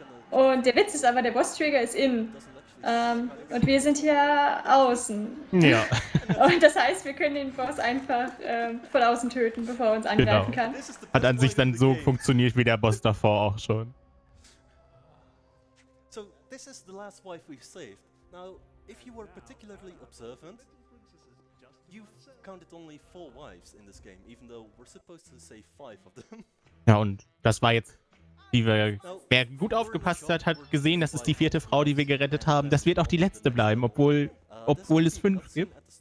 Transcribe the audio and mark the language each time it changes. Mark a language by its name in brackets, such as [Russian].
[German] Und der Witz ist aber, der Boss-Trigger ist innen. Und wir sind hier außen. Ja. Und das heißt, wir können den Boss einfach von außen töten, bevor er uns angreifen genau. kann. Hat an sich dann so funktioniert wie der Boss davor auch schon. [English] So, this is the last wife we've saved. Now, if you were particularly observant, you've counted only 4 wives in this game, even though we're supposed to save 5 of them. [German] Ja, und das war jetzt. Wer gut aufgepasst hat gesehen, das ist die vierte Frau, die wir gerettet haben. Das wird auch die letzte bleiben, obwohl es 5 gibt.